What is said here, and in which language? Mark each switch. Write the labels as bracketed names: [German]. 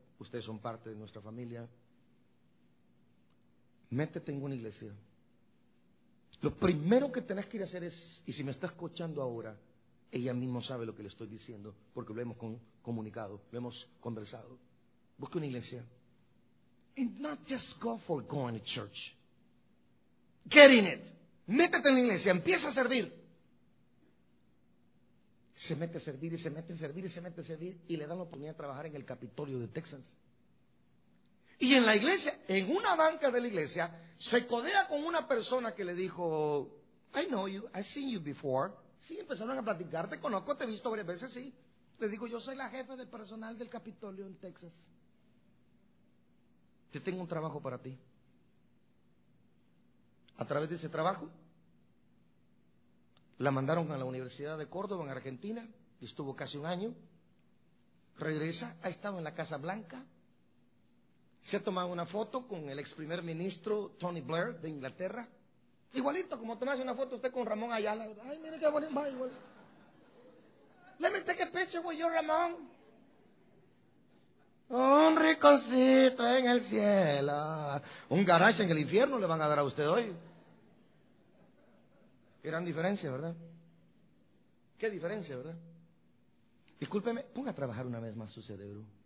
[Spanish] Ustedes son parte de nuestra familia. Métete en una iglesia. Lo primero que tenés que ir a hacer es, y si me está escuchando ahora, ella misma sabe lo que le estoy diciendo, porque lo hemos comunicado, lo hemos conversado. Busca una iglesia. [English] And not just go for going to church. Get in it. [Spanish] Métete en la iglesia, empieza a servir. Se mete a servir y se mete a servir y se mete a servir y le dan la oportunidad de trabajar en el Capitolio de Texas. Y en la iglesia, en una banca de la iglesia, se codea con una persona que le dijo: [English] I know you, I've seen you before. [Spanish] Sí, empezaron a platicar, te conozco, te he visto varias veces, sí. Le digo: yo soy la jefa de personal del Capitolio en Texas. Te tengo un trabajo para ti. A través de ese trabajo, la mandaron a la Universidad de Córdoba, en Argentina, y estuvo casi un año. Regresa, ha estado en la Casa Blanca. Se ha tomado una foto con el ex primer ministro Tony Blair de Inglaterra. Igualito como tomase una foto usted con Ramón Ayala. Ay, mire qué bonito. Va igual. [English] Let me take a picture with you, Ramón. [Spanish] Un riconcito en el cielo. Un garage en el infierno le van a dar a usted hoy. Gran diferencia, ¿verdad? Qué diferencia, ¿verdad? Discúlpeme, ponga a trabajar una vez más su cerebro.